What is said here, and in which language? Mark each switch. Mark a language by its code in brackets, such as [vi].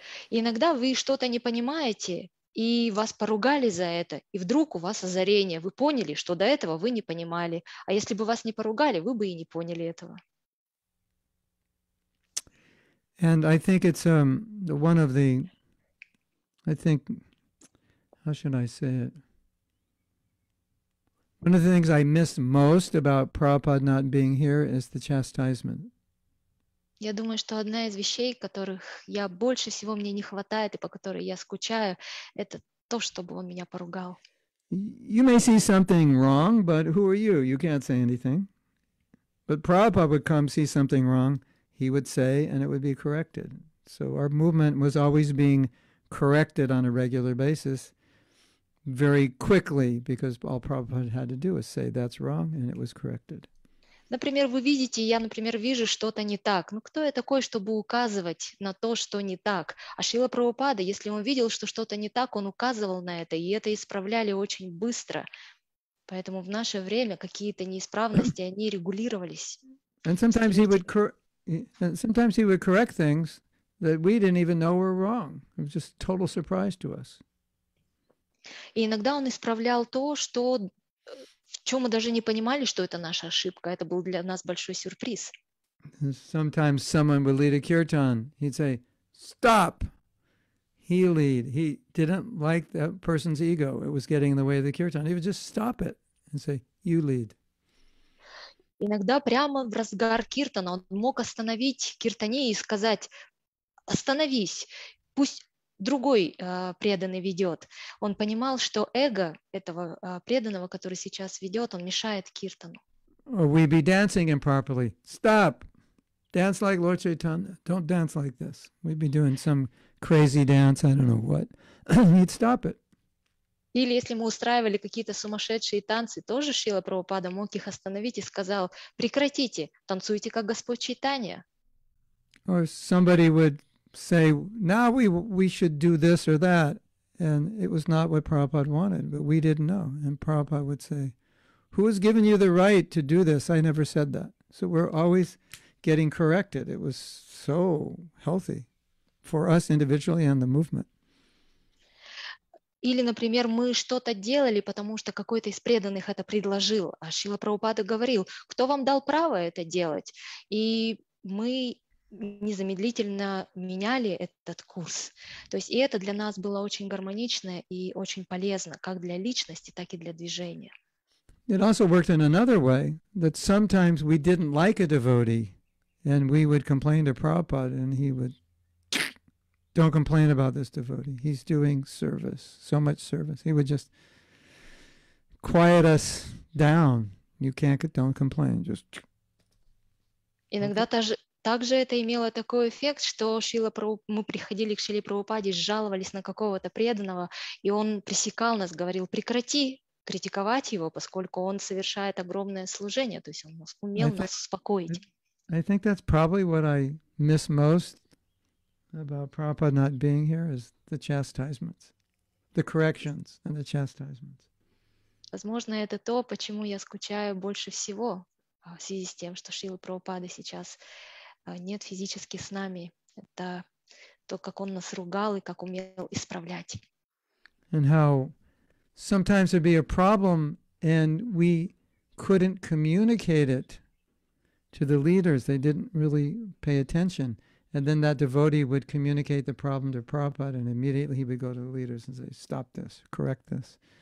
[ru] Иногда вы что-то не понимаете, и вас поругали за это, и вдруг у вас озарение. Вы поняли, что до этого вы не понимали. А если бы вас не поругали, вы бы и не поняли этого. [en] And I think it's one of the, I think, how should I say it? One of the things I miss most about Prabhupada not being here is the chastisement. [ru] Я думаю, что одна из вещей, которых я больше всего мне не хватает и по которой я скучаю, это то, чтобы он меня поругал. [en] You may see something wrong, but who are you? You can't say anything. But Prabhupada would come see something wrong, he would say, and it would be corrected. So our movement was always being corrected on a regular basis, very quickly, because all Prabhupada had to do was say that's wrong, and it was corrected. [ru] Например, вы видите, я, например, вижу что-то не так. Ну, кто я такой, чтобы указывать на то, что не так? А Шрила Прабхупада, если он видел, что что-то не так, он указывал на это, и это исправляли очень быстро. Поэтому в наше время какие-то неисправности, они регулировались. [en] And sometimes he would correct things that we didn't even know were wrong. It was just a total surprise to us. [ru] И иногда он исправлял то, что... Чего мы даже не понимали, что это наша ошибка. Это был для нас большой сюрприз. [en] Sometimes someone would lead a kirtan. He'd say, stop! He lead. He didn't like that person's ego. It was getting in the way of the kirtan. He would just stop it and say, you lead. [ru] Иногда прямо в разгар киртана он мог остановить киртане и сказать: «Остановись, пусть другой преданный ведет». Он понимал, что эго этого преданного, который сейчас ведет, он мешает киртану. [en] We be dancing improperly. Stop. Dance like Lord Chaitanya. Don't dance like this. We'd be doing some crazy dance. I don't know what. He'd stop it. [ru] Или если мы устраивали какие-то сумасшедшие танцы, тоже Шрила Прабхупада мог их остановить и сказал: «Прекратите, танцуйте как Господь Чайтанья». [en] Or somebody would say, "Now we should do this or that," and it was not what Prabhupada wanted, but we didn't know. And Prabhupada would say, "Who has given you the right to do this? I never said that." So we're always getting corrected. It was so healthy for us individually and the movement. [ru] Или, например, мы что-то делали, потому что какой-то из преданных это предложил. А Шрила Прабхупада говорил: кто вам дал право это делать? И мы незамедлительно меняли этот курс. То есть и это для нас было очень гармонично и очень полезно, как для личности, так и для движения. [en] It also worked in another way, that sometimes we didn't like a devotee, and we would complain to Prabhupada, and he would... Don't complain about this devotee. He's doing service, so much service. He would just quiet us down. You can't, don't complain. Just. [ru] Иногда также это имело такой эффект, что мы приходили к Шриле Прабхупаде, жаловались на какого-то преданного, и он пресекал нас, говорил: прекрати критиковать его, поскольку он совершает огромное служение. То есть он умел нас успокоить. [en] I think that's probably what I miss most about Prabhupada not being here is the chastisements, the corrections and the chastisements. [ru] Возможно, это то, почему я скучаю больше всего в связи с тем, что Шрила Прабхупада сейчас нет физически с нами. Это то, как он нас ругал и как умел исправлять. [en] And how sometimes there'd be a problem and we couldn't communicate it to the leaders. They didn't really pay attention. And then that devotee would communicate the problem to Prabhupada, and immediately he would go to the leaders and say, "Stop this, correct this."